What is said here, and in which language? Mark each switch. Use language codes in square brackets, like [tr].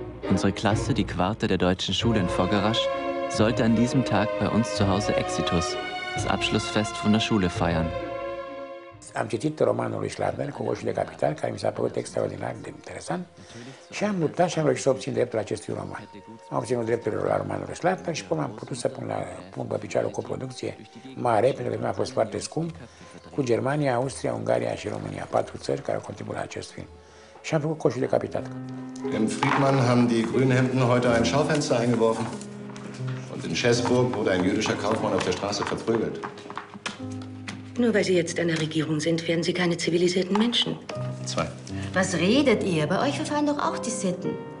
[de] Unsere Klasse, die Quarte der deutschen Schule in Foggerasch, sollte an diesem Tag bei uns zu Hause Exitus, das Abschlussfest von der Schule, feiern. [ro] Am citit romanul lui Schlarmer, Cocoșul de Capital, care mi s-a părut extraordinar de interesant, și am mutat și am reușit să obțin dreptul acestui roman. Am obținut dreptul la romanul lui Schlarmer și cum am putut să pun pe picioare o coproducție mare, pentru că mi-a fost foarte scump, cu Germania, Austria, Ungaria și România, patru țări care au contribuit la acest film. Și am făcut Cocoșul de Capital. [de] În Friedmann haben die Grünhemden heute ein Schaufenster eingeworfen und in Schäßburg wurde ein jüdischer Kaufmann auf der Straße verprügelt. Nur weil Sie jetzt an der Regierung sind, werden Sie keine zivilisierten Menschen. Zwei. Was redet ihr? Bei euch verfallen doch auch die Sitten.